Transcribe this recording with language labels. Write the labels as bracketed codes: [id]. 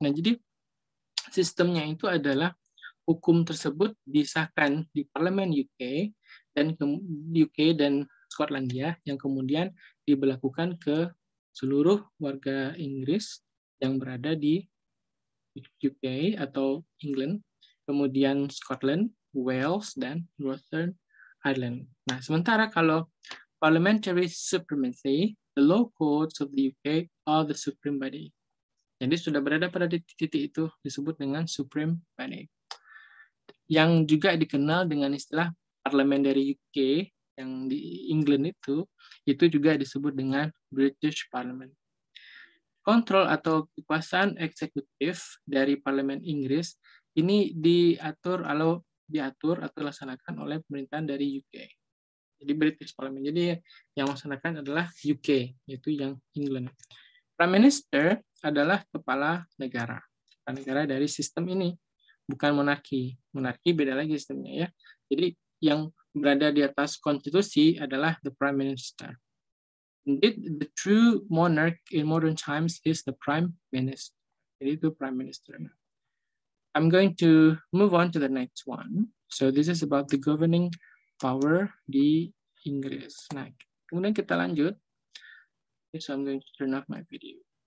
[id] Nah, jadi sistemnya itu adalah hukum tersebut disahkan di parlemen UK dan UK dan Skotlandia yang kemudian diberlakukan ke seluruh warga Inggris yang berada di UK atau England, kemudian Scotland, Wales, dan Northern Ireland. Nah, sementara kalau [en] parliamentary supremacy, the law courts of the UK are the supreme body. [id] Jadi sudah berada pada titik-titik itu disebut dengan supreme body. Yang juga dikenal dengan istilah parliamentary UK yang di England itu juga disebut dengan British Parliament. Kontrol atau kekuasaan eksekutif dari parlemen Inggris ini diatur atau dilaksanakan oleh pemerintahan dari UK. Jadi British Parliament. Jadi yang melaksanakan adalah UK, yaitu yang England. Prime Minister adalah kepala negara. Kepala negara dari sistem ini, bukan monarki. Monarki beda lagi sistemnya ya. Jadi yang berada di atas konstitusi adalah the Prime Minister. [en] Indeed, the true monarch in modern times is the Prime Minister. [id] Jadi itu [en] Prime Minister. I'm going to move on to the next one. So this is about the governing power [id] di Inggris. Nah, kemudian kita lanjut. [en] Okay, so I'm going to turn off my video.